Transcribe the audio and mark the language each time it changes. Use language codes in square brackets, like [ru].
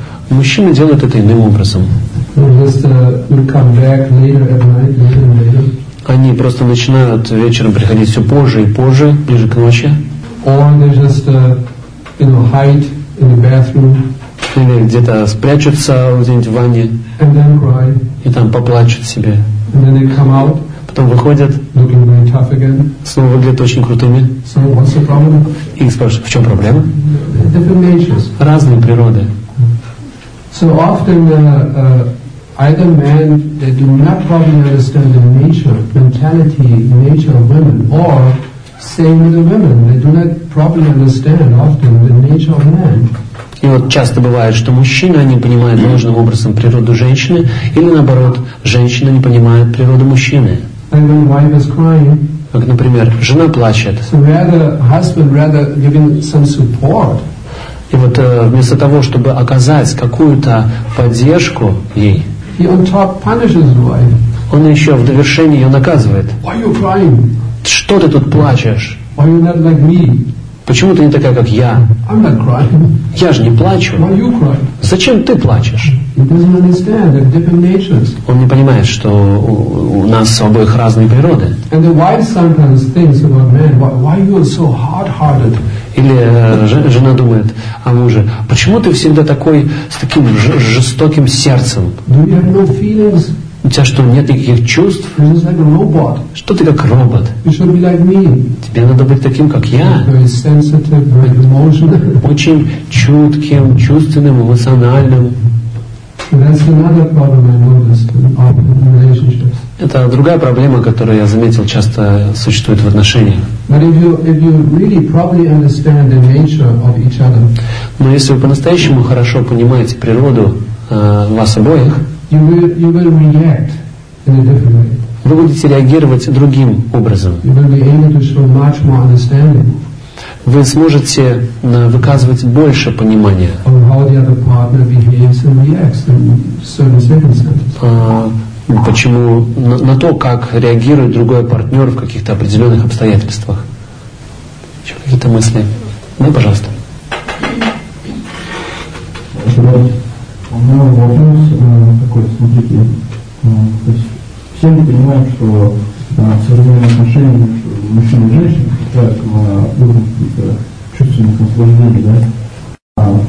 [ru] Мужчины делают это иным образом. Они просто начинают вечером приходить все позже и позже, ближе к ночи. [en] Or they just, you know, hide in the bathroom. [ru] или где-то спрячутся где-нибудь в ванне [en] and then cry. [ru] И там поплачут себе. [en] And then they come out, [ru] потом выходят, [en] looking very tough again. [ru] Снова выглядят очень крутыми. [en] So what's the problem? [ru] И спрашивают, в чем проблема? [en] Different natures. [ru] Разные природы. [en] So often either men they do not properly understand the nature, mentality, nature of women, or same with the women, they do not properly understand often the nature of men. [ru] И вот часто бывает, что мужчина не понимает нужным образом природу женщины, или наоборот, женщина не понимает природу мужчины. [en] And when wife is crying, [ru] как, например, жена плачет. [en] So rather, husband rather giving some support. [ru] И вот вместо того, чтобы оказать какую-то поддержку ей, [en] he on top punishes the wife. [ru] Он еще в довершение ее наказывает. [en] Why are you crying? [ru] Что ты тут плачешь? [en] Why are you not like me? [ru] Почему ты не такая, как я? [en] I'm not crying. [ru] Я же не плачу. [en] Why are you crying? [ru] Зачем ты плачешь? [en] He doesn't understand the different natures. [ru] Он не понимает, что у нас с обоих разные природы. [en] And the wife sometimes thinks about men, why are you so hard-hearted? [ru] Или жена думает о муже, почему ты всегда такой, с таким жестоким сердцем? [en] Do you have no feelings? [ru] У тебя что, нет никаких чувств? [en] You're just like a robot. [ru] Что ты как робот? [en] You should be like me. [ru] Тебе надо быть таким, как я. [en] Very sensitive, very emotional. [ru] Очень чутким, чувственным, эмоциональным. [en] That's another problem I noticed in relationships. [ru] Это другая проблема, которую я заметил, часто существует в отношениях. [en] But if you really properly understand the nature of each other, [ru] но если вы по-настоящему хорошо понимаете природу вас обоих, [en] you will react in a different way. [ru] Вы будете реагировать другим образом. [en] You will be able to show much more understanding. [ru] Вы сможете выказывать больше понимания. [en] On how the other partner behaves and reacts in certain circumstances. [ru] Почему на то, как реагирует другой партнер в каких-то определенных обстоятельствах? Еще какие-то мысли? Да, пожалуйста. У меня вопрос такой, смотрите, то есть все мы понимаем, что современные отношения мужчин и женщин попадают на уровень каких-то чувственных наслаждений, да?